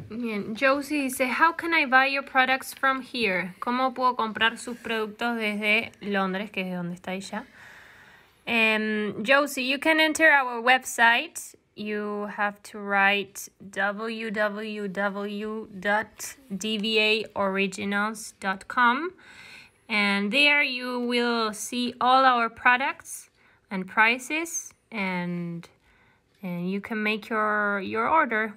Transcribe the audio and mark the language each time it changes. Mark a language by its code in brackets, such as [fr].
[es] Bien, Josie dice, [en] how can I buy your products from here? [es] ¿Cómo puedo comprar sus productos desde Londres, que es donde está ella? [en] Josie, you can enter our website. You have to write www.dvaoriginals.com and there you will see all our products and prices and you can make your order.